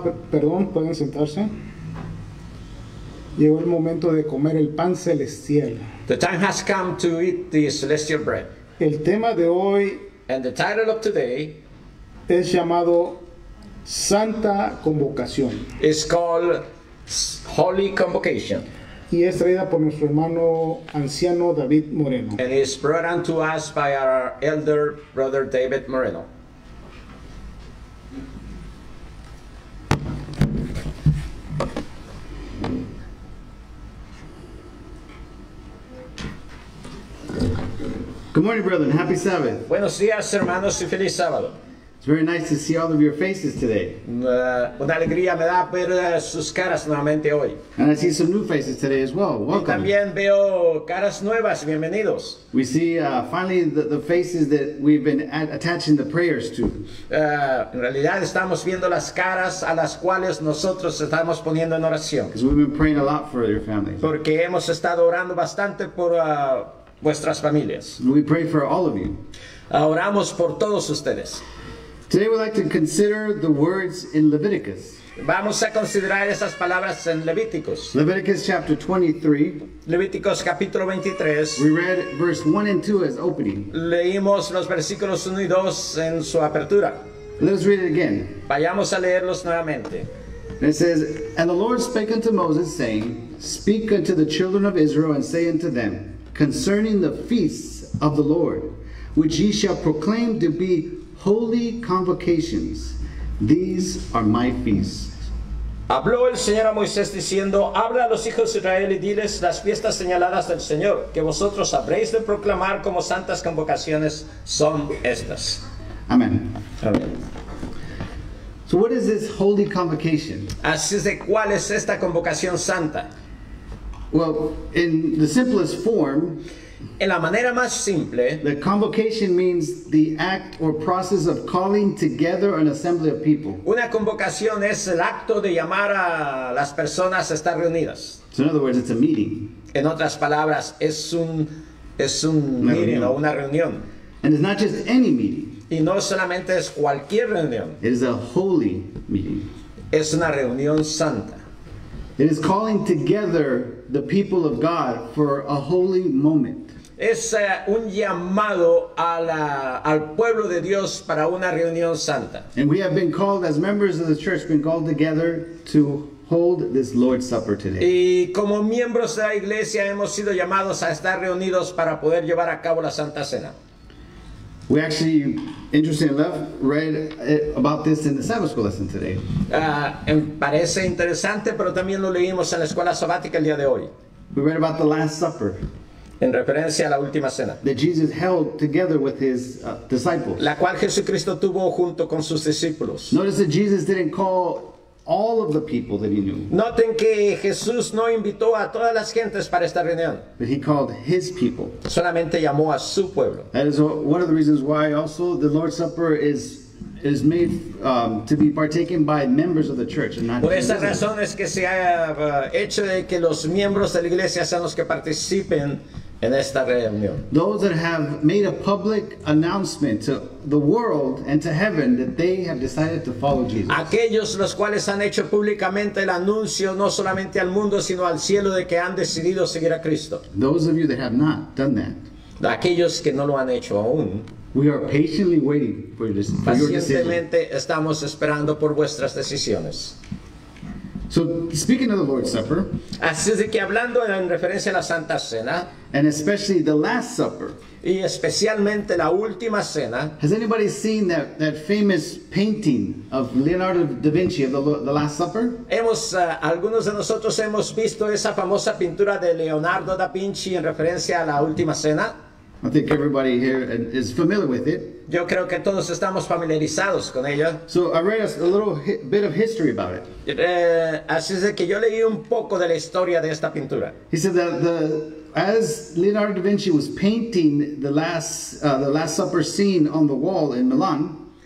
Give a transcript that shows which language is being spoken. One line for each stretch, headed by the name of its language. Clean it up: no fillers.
Spanish: Perdón, pueden sentarse. Llegó el momento de comer el pan celestial.
English: The time has come to eat the celestial bread.
Spanish: El tema de hoy,
English: and the title of today,
Spanish: es llamado Santa Convocación.
English: It's called Holy Convocation.
Spanish: Y es traída por nuestro hermano anciano David Moreno.
English: And it's brought unto us by our elder brother David Moreno. Good morning, brethren. Happy Sabbath.
Spanish: Buenos días, hermanos, y feliz sábado.
English: It's very nice to see all of your faces today.
Spanish: Una alegría me da ver sus caras nuevamente hoy.
English: And I see some new faces today as well. Welcome.
Spanish: Y también veo caras nuevas. Bienvenidos.
English: We see finally the faces that we've been attaching the prayers to.
Spanish: En realidad estamos viendo las caras a las cuales nosotros estamos poniendo en oración.
English: Because we've been praying a lot for your family.
Spanish: Porque hemos estado orando bastante por vuestras familias.
English: We pray for all of you.
Spanish: Oramos por todos ustedes.
English: Today we'd like to consider the words in Leviticus.
Spanish: Vamos a considerar esas palabras en Levíticos.
English: Leviticus chapter 23.
Spanish: Levíticos capítulo 23.
English: We read verse 1 and 2 as opening.
Spanish: Leímos los versículos 1 y 2 en su apertura.
English: Let's read it again.
Spanish: Vayamos a leerlos nuevamente.
English: It says, "And the Lord spake unto Moses, saying, Speak unto the children of Israel, and say unto them, Concerning the feasts of the Lord, which ye shall proclaim to be holy convocations, these are my feasts."
Spanish: Habló el Señor a Moisés diciendo, Habla a los hijos de Israel y diles las fiestas señaladas del Señor, que vosotros habréis de proclamar como santas convocaciones son estas.
English: Amen.
Spanish: Amen.
English: So what is this holy convocation?
Spanish: Así es de cuál es esta convocación santa.
English: Well, in the simplest form,
Spanish: en la manera más simple,
English: the convocation means the act or process of calling together an assembly of people.
Spanish: Una convocación es el acto de llamar a las personas a estar reunidas.
English: So in other words, it's a meeting.
Spanish: En otras palabras, es un meeting o una reunión.
English: And it's not just any meeting.
Spanish: Y no solamente es cualquier reunión.
English: It is a holy meeting.
Spanish: Es una reunión santa.
English: It is calling together the people of God for a holy moment.
Spanish: Es un llamado al pueblo de Dios para una reunión santa.
English: And we have been called as members of the church, been called together to hold this Lord's Supper today.
Spanish: Y como miembros de la iglesia hemos sido llamados a estar reunidos para poder llevar a cabo la Santa Cena.
English: We actually, interesting enough, read about this in the Sabbath school lesson today.
Spanish: Parece interesante, pero también lo leímos en la escuela sabática el día de hoy.
English: We read about the Last Supper.
Spanish: En referencia a la última cena.
English: That Jesus held together with his disciples.
Spanish: La cual Jesucristo tuvo junto con sus discípulos.
English: Notice that Jesus didn't call all of the people that he knew.
Spanish: Noten que Jesús no invitó a todas las gentes para esta reunión.
English: But he called his people.
Spanish: Solamente llamó a su pueblo.
English: That is one of the reasons why also the Lord's Supper is made to be partaken by members of the church and not
Spanish: Por esa razón es que se ha hecho de que los miembros de la iglesia sean los que participen en esta reunión.
English: Those that have made a public announcement to the world and to heaven that they have decided to follow Jesus.
Spanish: Aquellos los cuales han hecho públicamente el anuncio no solamente al mundo sino al cielo de que han decidido seguir a Cristo.
English: Those of you that have not done that.
Spanish: Aquellos que no lo han hecho aún.
English: We are patiently waiting for your decision.
Spanish: Pacientemente estamos esperando por vuestras decisiones.
English: So, speaking of the Lord's Supper,
Spanish: así de que hablando en referencia a la Santa Cena,
English: and especially the Last Supper,
Spanish: y especialmente la última cena,
English: has anybody seen that famous painting of Leonardo da Vinci of the Last Supper?
Spanish: Hemos algunos de nosotros hemos visto esa famosa pintura de Leonardo da Vinci en referencia a la última cena.
English: I think everybody here is familiar with it.
Spanish: Yo creo que todos estamos familiarizados con ella.
English: So I read a little bit of history about it.
Spanish: Así es de que yo leí un poco de la historia de esta pintura.
English: He said that as Leonardo da Vinci was painting the last supper scene on the wall in Milan.